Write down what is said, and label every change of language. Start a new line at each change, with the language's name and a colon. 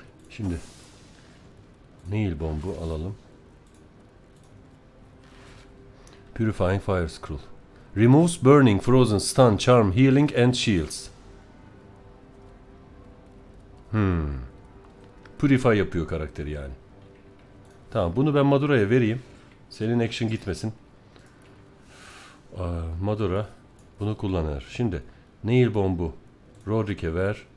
Turkish: Şimdi nail bomb'u alalım.
English: Purifying Fire Scroll. Removes Burning, Frozen, Stun, Charm, Healing and Shields.
Turkish: Purify yapıyor karakteri yani. Tamam bunu ben Madora'ya vereyim. Senin action gitmesin. Madora bunu kullanır. Şimdi Nail Bomb'u Roderick'e ver.